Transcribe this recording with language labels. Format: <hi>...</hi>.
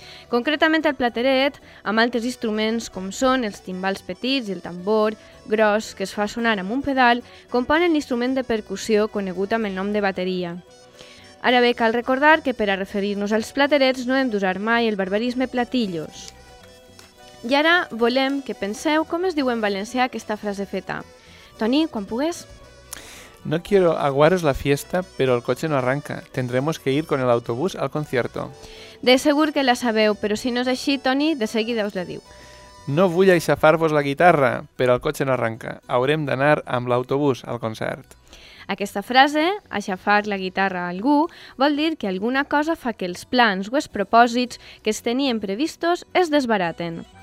<ca>Concretament el plateret, amb altres instruments com són els timbals petits i el tambor gros que es fa sonar amb un pedal, componen l'instrument de percussió conegut amb el nom de bateria. Ara bé, cal recordar que per a referir-nos als platerets no hem d'usar mai el barbarisme platillos. I ara volem que penseu com es diu en valencià aquesta frase feta. Toni, quan pugues.</ca> <es>No quiero aguaros la fiesta, pero el coche no arranca. Tendremos que ir con el autobús al concierto.</es> <ca>De segur que la sabeu, però si no és així, Toni, de seguida us la diu. No vull aixafar-vos la guitarra, però el cotxe no arranca. Haurem d'anar amb l'autobús al concert. Aquesta frase, aixafar la guitarra a algú, vol dir que alguna cosa fa que els plans o els propòsits que es tenien previstos es desbaraten.</ca>